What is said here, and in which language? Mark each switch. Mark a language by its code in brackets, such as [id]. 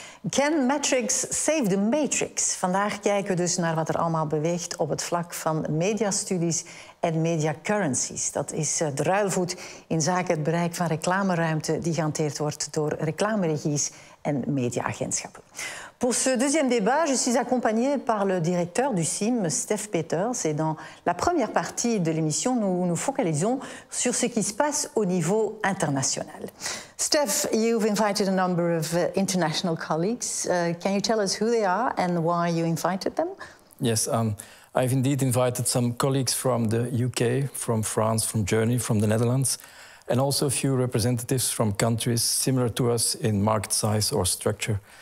[nl] Can Matrix Save the Matrix? Vandaag kijken we dus naar wat er allemaal beweegt op het vlak van mediastudies en mediacurrencies. Dat is de ruilvoet in zaken het bereik van reclameruimte die gehanteerd wordt door reclameregies en mediaagentschappen. [fr] Pour ce deuxième débat, je suis accompagnée par le directeur du CIM, Steph Peters. Et dans la première partie de l'émission, nous nous focalisons sur ce qui se passe au niveau international. [en] Steph, you've invited a number of international colleagues. Can you tell us who they are and why you invited them? Yes, I've indeed invited some colleagues from the UK, from France, from Germany, from the Netherlands, and also a few representatives from countries similar to us in market size or structure.